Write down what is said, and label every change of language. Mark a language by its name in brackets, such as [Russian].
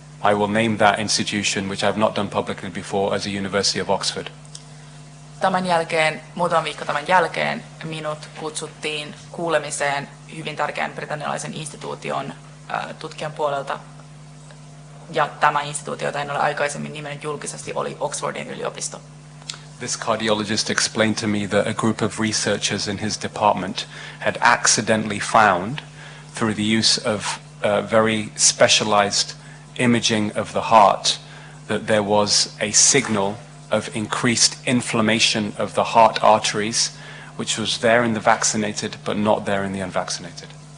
[English] I will name that institution, which I've not done publicly before, as a University of Oxford. [Finnish] Tämän jälkeen, muutaman viikko tämän jälkeen, minut kutsuttiin kuulemiseen hyvin tärkeän britannialaisen instituution tutkijan puolelta. Ja tämä instituutio, jota en ole aikaisemmin nimennyt julkisesti, oli Oxfordin yliopisto. [English] This cardiologist explained to me that a group of researchers in his department had accidentally found, through the use of very specialized imaging of the heart, that there was a signal of increased inflammation of the heart arteries, which was there in the vaccinated but not there in the unvaccinated.